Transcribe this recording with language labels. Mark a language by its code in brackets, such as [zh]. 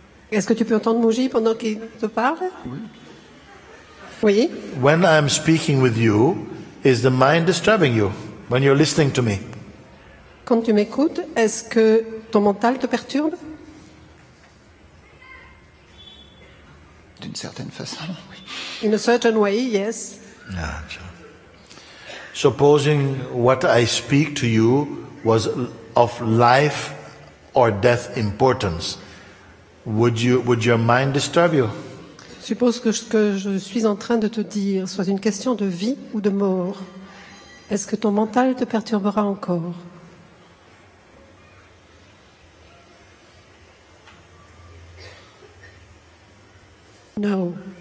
[fr] Est-ce que tu peux entendre Mooji pendant qu'il te parle? Oui. Oui. [en] When I'm speaking with you, is the mind disturbing you? When you're listening to me? [fr] Quand tu m'écoutes, est-ce que ton mental te perturbe? D'une certaine façon, oui. [en] In a certain way, yes. Gotcha. Supposing what I speak to you was of life or death importance, would your mind disturb you? [fr] Suppose que ce que je suis en train de te dire soit une question de vie ou de mort, est-ce que ton mental te perturbera encore? [en] No.